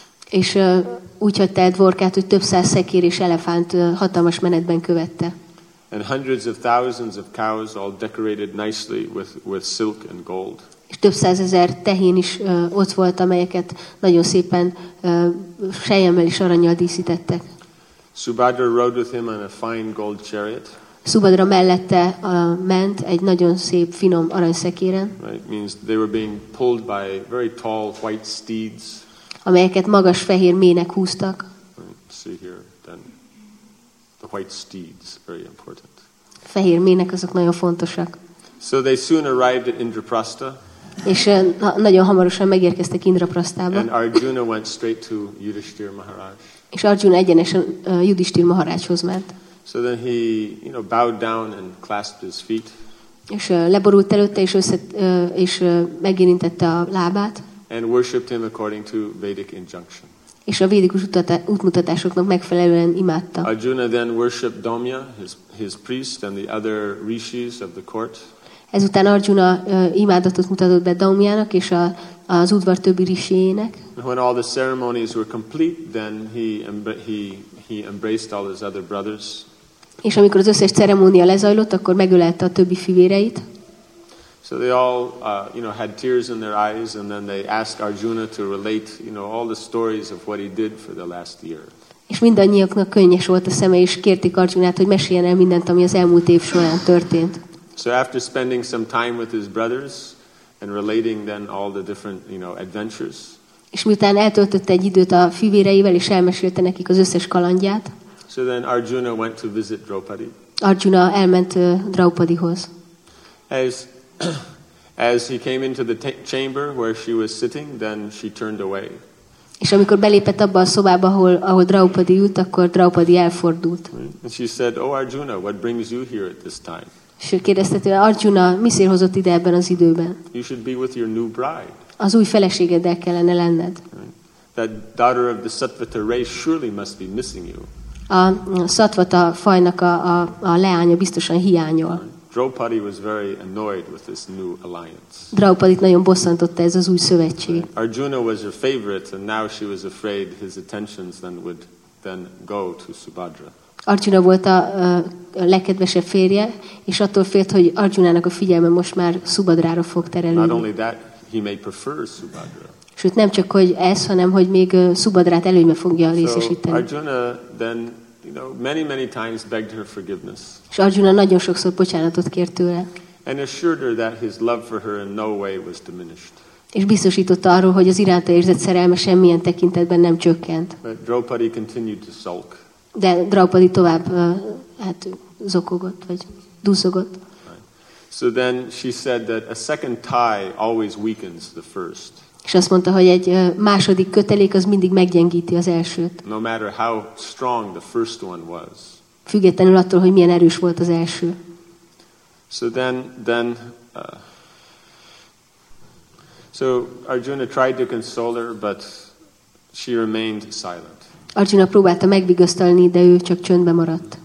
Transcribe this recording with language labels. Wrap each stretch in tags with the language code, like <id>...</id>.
<hu>És úgy hagyta el Dvorkát, hogy több száz szekér és elefánt hatalmas menetben követte.</hu> <en>And hundreds of thousands of cows all decorated nicely with silk and gold.</en> <hu>És több százezer tehén is ott volt, amelyeket nagyon szépen sejemmel és aranyjal díszítettek.</hu> <en>Subhadra rode with him on a fine gold chariot.</en> <hu>Subhadra mellette ment egy nagyon szép finom aranyszekéren.</hu> <en>Right, means they were being pulled by very tall white steeds.</en> <hu>Amelyeket magas fehér mének húztak.</hu> <en>See here, then. The white steeds, very important.</en> <hu>Fehér mének, azok nagyon fontosak.</hu> <en>So they soon arrived at Indraprastha.</en> <hu>És nagyon hamarosan megérkeztek Indraprasthába.</hu> <en>And Arjuna went straight to Yudhishthir Maharaj.</en> <hu>És Arjuna egyenesen Yudhishthir Maharajhoz ment.</hu> <en>So then he, you know, bowed down and clasped his feet.</en> <hu>És leborult előtte, és megérintette a lábát.</hu> <en>And worshipped him according to Vedic injunction.</en> <hu>És a védikus útmutatásoknak megfelelően imádta.</hu> <en>Arjuna then worshipped Domya, his priest, and the other rishis of the court.</en> <hu>Ezután Arjuna imádatot mutatott be Domyának és az udvar többi rishijének.</hu> <en>When all the ceremonies were complete, then he embraced all his other brothers.</en> <hu>És amikor az összes ceremónia lezajlott, akkor megölelte a többi fivéreit.</hu> <en>So they all, you know, had tears in their eyes, and then they asked Arjuna to relate, you know, all the stories of what he did for the last year.</en> <hu>És mindannyiaknak könnyes volt a szeme, és kérték Arjunát, hogy meséljen el mindent, ami az elmúlt év során történt.</hu> <en>So after spending some time with his brothers and relating then all the different, you know, adventures.</en> <hu>És miután eltöltött egy időt a fivéreivel, és elmesélte nekik az összes kalandját.</hu> <en>So then Arjuna went to visit Draupadi.</en> <hu>Arjuna elment Draupadihoz.</hu> <en>As he came into the chamber where she was sitting, then she turned away.</en> <hu>És amikor belépett abba a szobába, ahol Draupadi ült, akkor Draupadi elfordult.</hu> <en>And she said, "Oh Arjuna, what brings you here at this time?"</en> <hu>És kérdezte tőle, Arjuna, mi szél hozott ide ebben az időben?</hu> <en>You should be with your new bride.</en> <hu>Az új feleségeddel kellene lenned.</hu> <en>that daughter of the Satvata race surely must be missing you.</en> <hu>A Satvata fajnak a leánya biztosan hiányol.</hu> <en>Draupadi was very annoyed with this new alliance.</en> <hu>Draupadit nagyon bosszantotta ez az új szövetség.</hu> <en>Right. Arjuna was her favorite, and now she was afraid his attentions then would then go to Subhadra.</en> <hu>Arjuna volt a legkedvesebb férje, és attól félt, hogy Arjunának a figyelme most már Subhadrára fog terelni.</hu> <en>Not only that, he may prefer Subhadra.</en> <hu>Sőt, nem csak hogy ez, hanem hogy még Subhadrát előnybe fogja részesíteni.</hu> <en>So Arjuna then, you know, many many times begged her forgiveness.</en> <hu>És Arjuna nagyon sokszor bocsánatot kért tőle.</hu> <en>And assured her that his love for her in no way was diminished.</en> <hu>És biztosította arról, hogy az iránta érzett szerelme semmilyen tekintetben nem csökkent.</hu> <en>But Draupadi continued to sulk.</en> <hu>De Draupadi tovább hát zokogott vagy duszogott.</hu> <en>So then she said that a second tie always weakens the first.</en> <hu>És azt mondta, hogy egy második kötelék az mindig meggyengíti az elsőt.</hu> <en>No matter how strong the first one was.</en> <hu>Függetlenül attól, hogy milyen erős volt az első.</hu> <en>So then so Arjuna tried to console her, but she remained silent.</en> <hu>Arjuna próbálta megvigasztalni, de ő csak csöndbe maradt.</hu>